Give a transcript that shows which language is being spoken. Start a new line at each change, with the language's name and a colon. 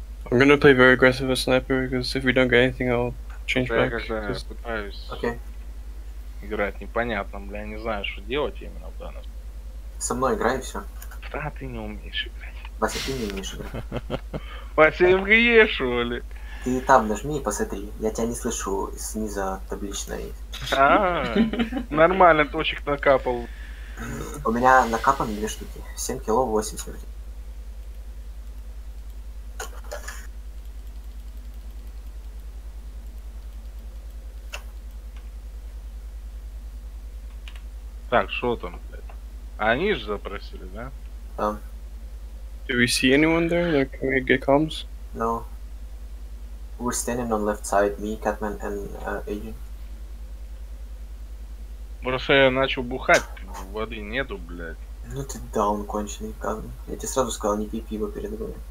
English: I'm gonna play very aggressive with sniper because if we don't get anything, I'll change back. Okay.
Russian: Играть непонятно, бля, не знаю, что делать именно в данном. Со мной играй и все. Да, ты не умеешь играть. Вася, ты не умеешь играть. Вася, МГЕ, что ли? Ты там нажми и посмотри, я тебя не слышу снизу табличной. Нормально, точек накапал. У меня накапано две штуки. 7 кило, 8 смерти. Так, шо там, блядь? Они же запросили, да? Да.
English: Do we see anyone there? Like, can we get comms? No. We're standing on left side, me, Catman, and Agent.
Russian: Просто я начал бухать, воды нету, блядь. Ну ты даун конченый, Катман. Я тебе сразу сказал, не пей пиво перед игрой.